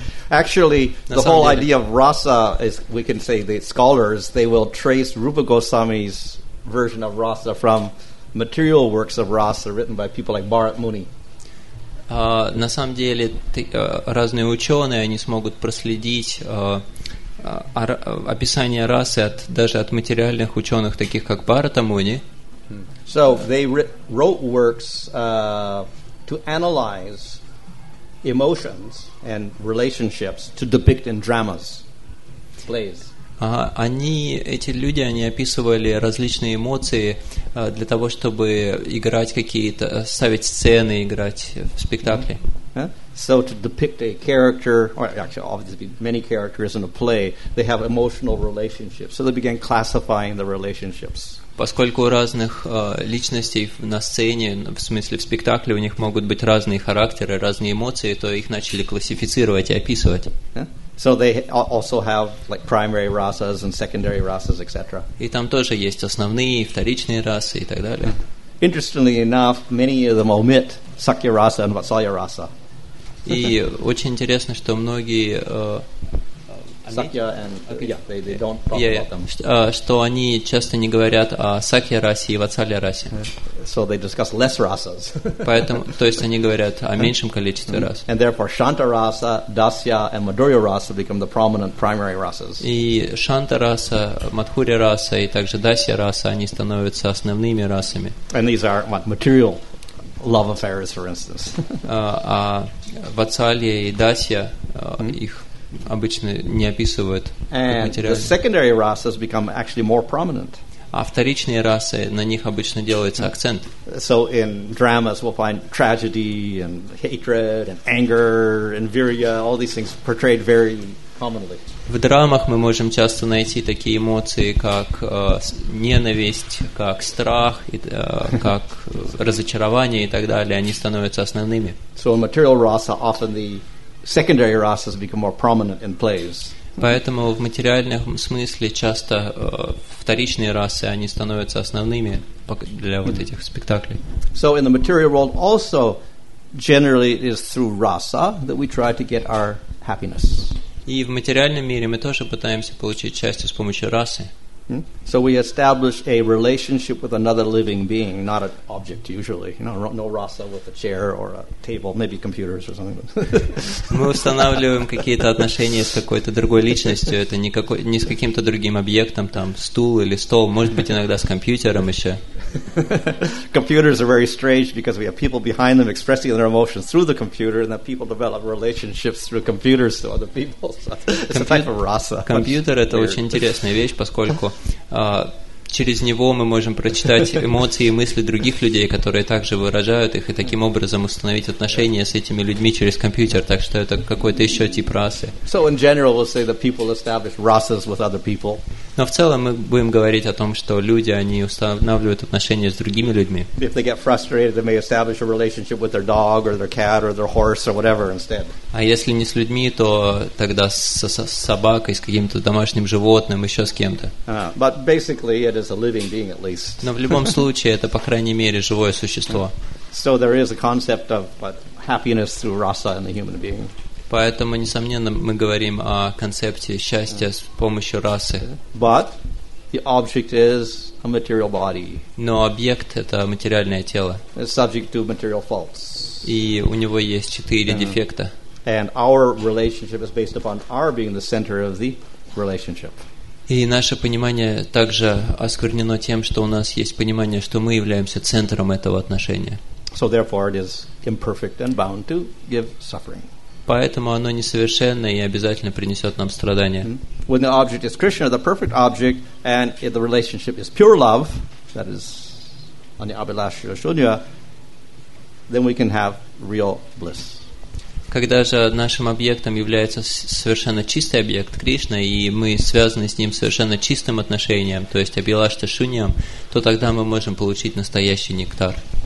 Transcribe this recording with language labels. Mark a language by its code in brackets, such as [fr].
[en] Actually, the whole idea of rasa is, we can say, the scholars, they will trace Rupa Goswami's version of rasa from material works of rasa written by people like Bharat Muni. [ru] На самом деле, разные ученые, они смогут проследить описание расы от, даже от материальных ученых, таких как Бхарата Муни. [en] So they wrote works to analyze emotions and relationships to depict in dramas, plays. [ru] Они, эти люди, они описывали различные эмоции для того, чтобы играть какие-то, ставить сцены, играть в спектакли. [en] So to depict a character, or actually obviously many characters in a play, they have emotional relationships. So they began classifying the relationships. [ru] Поскольку у разных личностей на сцене, в смысле в спектакле, у них могут быть разные характеры, разные эмоции, то их начали классифицировать и описывать. [en] So they also have like primary rasas and secondary rasas, etc. [ru] И там тоже есть основные и вторичные расы и так далее. [en] Interestingly enough, many of them omit Sakya rasa and Vatsalya rasa. [ru] И очень интересно, что многие [en] Sakya and they don't talk about them. [ru] Что они часто не говорят о Сакья расе и Ватсалья расе. [en] So they discuss less rasas. [ru] Поэтому, то есть они говорят о меньшем количестве рас. [en] And therefore Shanta rasa, Dasya and Madhurya rasa become the prominent primary rasas. [ru] И Shanta rasa, Madhurya rasa и также Dasya rasa, они становятся основными расами. [en] And these are what, material love affairs, for instance. [ru] А Ватсалья и Дасья их обычно не описывают материал. [en] The secondary rasas become actually more prominent. [ru] А вторичные расы, на них обычно делается акцент. [en] So in dramas we'll find tragedy and hatred and anger and virya, all these things portrayed very commonly. [ru] В драмах мы можем часто найти такие эмоции, как ненависть, как страх, как разочарование и так далее. Они становятся основными. [en] So in material rasa often the secondary rasas become more prominent in plays. [ru] Поэтому в материальном смысле часто вторичные расы, они становятся основными для вот этих спектаклей. [en] So in the material world also generally it is through rasa that we try to get our happiness. [ru] И в материальном мире мы тоже пытаемся получить счастье с помощью расы. [en] So we establish a relationship with another living being, not an object usually. You know, no rasa with a chair or a table, maybe computers or something. [ru] Мы устанавливаем какие-то отношения с какой-то другой личностью. Это не с каким-то другим объектом, там, стул или стол. Может быть, иногда с компьютером еще. [en] Computers are very strange because we have people behind them expressing their emotions through the computer, and that people develop relationships through computers to other people. So it's a type of rasa. [ru] Компьютер – это очень интересная вещь, поскольку через него мы можем прочитать эмоции и мысли других людей, которые также выражают их, и таким образом установить отношения с этими людьми через компьютер. Так что это какой-то еще тип расы. [en] So in general, we'll say that people establish rasas with other people. [ru] Но в целом мы будем говорить о том, что люди, они устанавливают отношения с другими людьми. [en] If they get frustrated, they may establish a relationship with their dog or their cat or their horse or whatever instead. [ru] А если не с людьми, то тогда с собакой, с каким-то домашним животным, еще с кем-то. [en] But basically, it is a living being at least. [ru] Но в любом случае, это, по крайней мере, живое существо. [en] So there is a concept of what, happiness through rasa in the human being. [ru] Поэтому, несомненно, мы говорим о концепте счастья с помощью расы. [en] But the object is a material body. [ru] Но объект – это материальное тело. [en] It's subject to material faults. [ru] И у него есть 4 дефекта. [en] And our relationship is based upon our being the center of the relationship. [ru] И наше понимание также осквернено тем, что у нас есть понимание, что мы являемся центром этого отношения. [en] So therefore it is imperfect and bound to give suffering. [ru] Поэтому оно несовершенно и обязательно принесет нам страдания. [en] When the object is Krishna, the perfect object, and if the relationship is pure love, that is ani abhilasha shunya, then we can have real bliss. [ru] Когда же нашим объектом является совершенно чистый объект Кришна, и мы связаны с ним совершенно чистым отношением, то есть абхилашта шуньям, то тогда мы можем получить настоящий нектар.